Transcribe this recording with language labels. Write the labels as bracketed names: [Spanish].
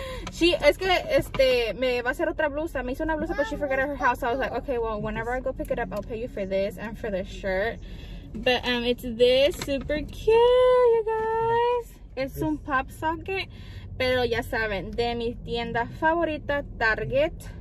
[Spanish] Sí, es que me va a hacer otra blusa. Me hizo una blusa, [English] but she forgot at her house. I was like, okay, well, whenever I go pick it up, I'll pay you for this and for the shirt. But it's this. Super cute, you guys. [Spanish] Es un pop socket, pero ya saben, de mi tienda favorita, Target.